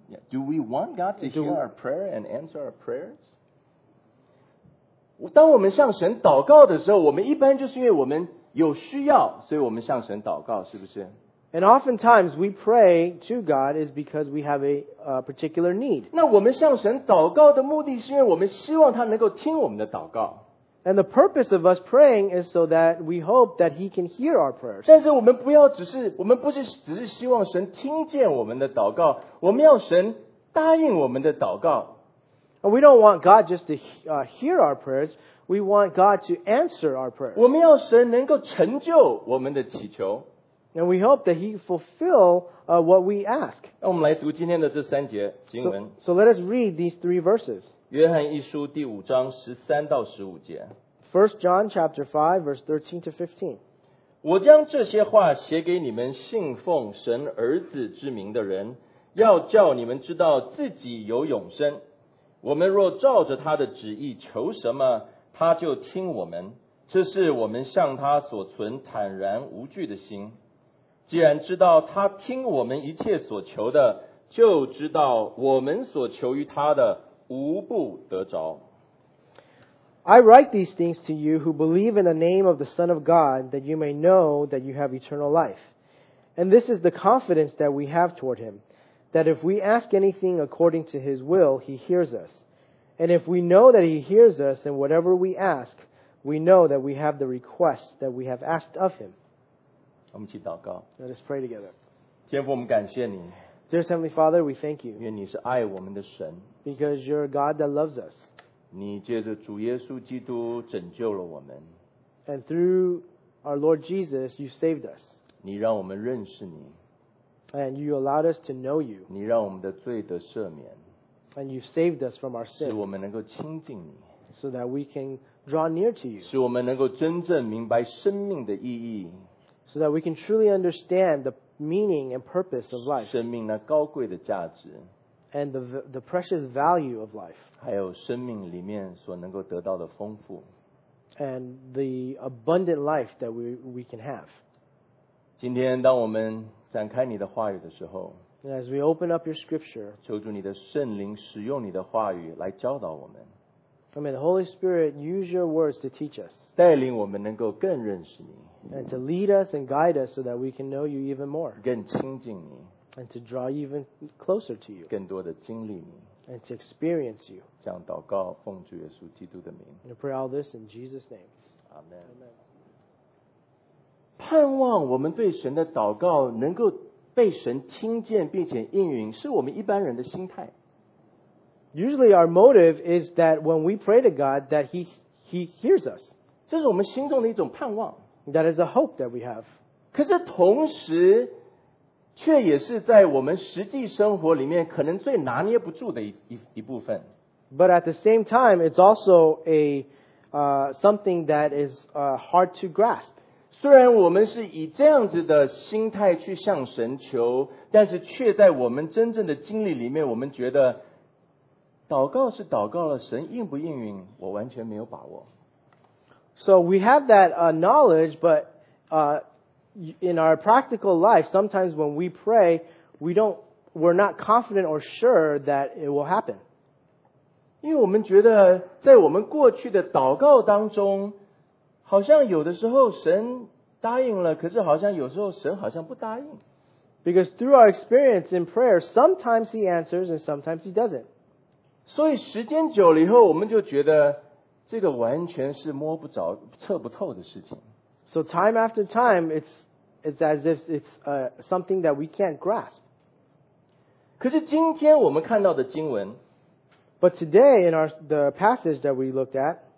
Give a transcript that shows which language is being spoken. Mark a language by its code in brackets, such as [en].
[en] Do we want God to hear our prayer and answer our prayers? [zh] 当我们向神祷告的时候，我们一般就是因为我们有需要，所以我们向神祷告，是不是？ [en] And oftentimes we pray to God is because we have a particular need. [zh] 那我们向神祷告的目的是因为我们希望他能够听我们的祷告。 [en] And the purpose of us praying is so that we hope that he can hear our prayers. [zh] 但是我们不要只是，我们不是只是希望神听见我们的祷告，我们要神答应我们的祷告。 [en] We don't want God just to hear our prayers, we want God to answer our prayers. [zh] 我们要神能够成就我们的祈求。 [en] And we hope that he fulfill what we ask. [zh] 那我们来读今天的这三节经文。 [en] So let us read these three verses. [zh] 约翰一书第五章十三到十五节。 [en] First John chapter 5 verse 13 to 15. [zh] 我将这些话写给你们信奉神儿子之名的人，要叫你们知道自己有永生。我们若照着他的旨意求什么，他就听我们。这是我们向他所存坦然无惧的心。既然知道他听我们一切所求的，就知道我们所求于他的无不得着。 [en] I write these things to you who believe in the name of the Son of God, that you may know that you have eternal life. And this is the confidence that we have toward him, that if we ask anything according to his will, he hears us. And if we know that he hears us in whatever we ask, we know that we have the request that we have asked of him. [zh] 我们一起祷告。 [en] Let us pray together. [zh] 天父，我们感谢你。 [en] Dear Heavenly Father, we thank you. [zh] 因为你是爱我们的神。 [en] Because you're a God that loves us. [zh] 你借着主耶稣基督拯救了我们。 [en] And through our Lord Jesus, you saved us. [zh] 你让我们认识你。 [en] And you allowed us to know you. [zh] 你让我们的罪得赦免。 [en] And you saved us from our sin. [zh] 使我们能够亲近你。 [en] So that we can draw near to you. [zh] 使我们能够真正明白生命的意义。 [en] So that we can truly understand the meaning and purpose of life. [zh] 生命那高贵的价值。 [en] And the precious value of life. [zh] 还有生命里面所能够得到的丰富。 [en] And the abundant life that we can have. [zh] 今天当我们展开你的话语的时候。 [en] And as we open up your scripture. [zh] 求主你的圣灵使用你的话语来教导我们。 [en] And may the Holy Spirit use your words to teach us. [zh] 带领我们能够更认识你。 [en] And to lead us and guide us so that we can know you even more. [zh] 更亲近你。 [en] And to draw even closer to you. [zh] 更多的经历你。 [en] And to experience you. [zh] 这样祷告奉主耶稣基督的名。 [en] And I pray all this in Jesus' name. Amen. Amen. [zh] 盼望我们对神的祷告能够被神听见并且应允，是我们一般人的心态。 [en] Usually our motive is that when we pray to God that he hears us. [zh] 这是我们心中的一种盼望。 [en] That is a hope that we have. [zh] 可是同时却也是在我们实际生活里面可能最拿捏不住的 一部分。 [en] But at the same time, it's also a something that is hard to grasp. [zh] 虽然我们是以这样子的心态去向神求，但是却在我们真正的经历里面，我们觉得祷告是祷告了，神应不应允，我完全没有把握。 [en] So we have that knowledge, but in our practical life, sometimes when we pray, we're not confident or sure that it will happen. [zh] 因为我们觉得在我们过去的祷告当中，好像有的时候神答应了，可是好像有时候神好像不答应。 [en] Because through our experience in prayer, sometimes he answers and sometimes he doesn't. [zh] 所以时间久了以后，我们就觉得这个完全是摸不着、测不透的事情。 [en] So time after time, it's as if it's something that we can't grasp. [zh] 可是今天我们看到的经文 [en] ，But today in the passage that we looked at,